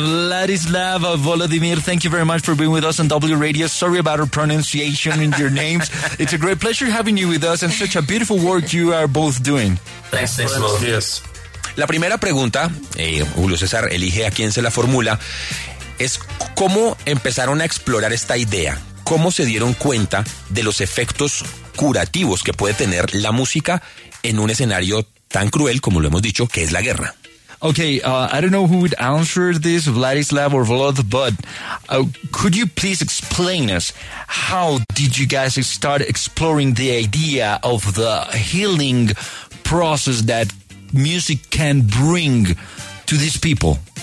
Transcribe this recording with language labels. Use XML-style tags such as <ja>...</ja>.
<en>Vladislav, Volodymyr, thank you very much for being with us on W Radio. Sorry about our pronunciation and your names. It's a great pleasure having you with us and such a beautiful work you are both doing. Thanks a lot. Yes.</en> <es>La primera pregunta, Julio César, elige a quién se la formula, es cómo empezaron a explorar esta idea. ¿Cómo se dieron cuenta de los efectos curativos que puede tener la música en un escenario tan cruel como lo hemos dicho, que es la guerra?</es> <en>Okay, I don't know who would answer this, Vladislav or Vlad, but could you please explain us how did you guys start exploring the idea of the healing process that music can bring to these people?</en>